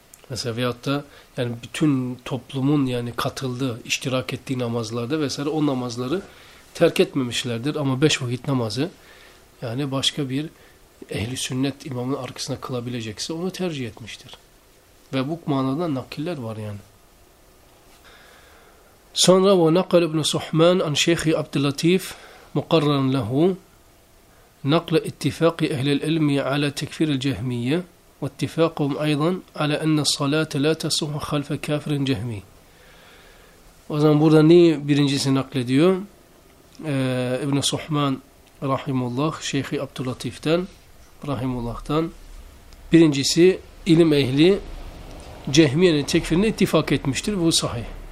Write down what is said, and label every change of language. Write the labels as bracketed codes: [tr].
[tr] Mesela veyahut da yani bütün toplumun yani katıldığı, iştirak ettiği namazlarda vesaire o namazları terk etmemişlerdir. Ama beş vakit namazı yani başka bir ehli sünnet imamın arkasına kılabilecekse onu tercih etmiştir. Ve bu manada nakiller var yani. Sonra ve nakal ibn-i Suhman an şeyhi Abdüllatif mukarran lehu [ar] نقل اتفاق أهل العلم على تكفير الجهمية واتفاقهم أيضا على أن الصلاة لا تصح خلف كافر جهمي. [tr] O zaman burada ne birincisi naklediyor? İbn-i Suhman Rahimullah, Şeyh-i Abdülatif'ten Rahimullah'tan birincisi ilim ehli cehmiyenin tekfirine ittifak etmiştir. Bu sahih.